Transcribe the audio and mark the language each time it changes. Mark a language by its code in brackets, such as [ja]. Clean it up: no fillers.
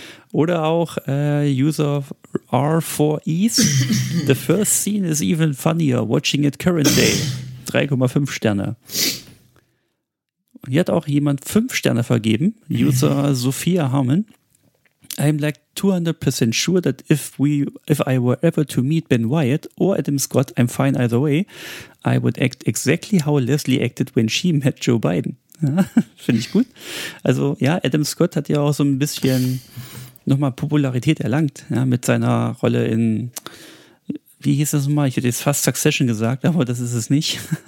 [de] Oder auch [en] User R4E's, the first scene is even funnier, watching it current day, [de] 3,5 Sterne. Hier hat auch jemand 5 Sterne vergeben, User Sophia Harmon. [en] I'm like 200% sure that if I were ever to meet Ben Wyatt or Adam Scott, I'm fine either way, I would act exactly how Leslie acted when she met Joe Biden. [de] Ja, finde ich gut. Also ja, Adam Scott hat ja auch so ein bisschen nochmal Popularität erlangt, ja, mit seiner Rolle in, wie hieß das nochmal? Ich hätte jetzt fast Succession gesagt, aber das ist es nicht.